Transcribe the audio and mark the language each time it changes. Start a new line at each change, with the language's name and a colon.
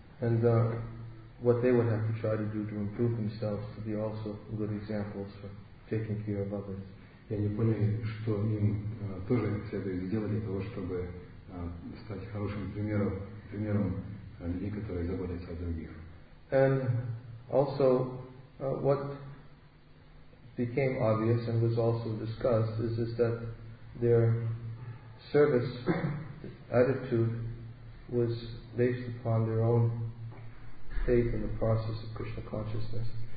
English: And what they would have to try to do to improve themselves to be also good examples for taking care of others.
Russian: И они поняли, что им тоже следует сделать для того, чтобы стать хорошим примером людей, которые заботятся о других.
English: And also what became obvious and was also discussed is that their service attitude was based upon their own faith in the process of Krishna consciousness.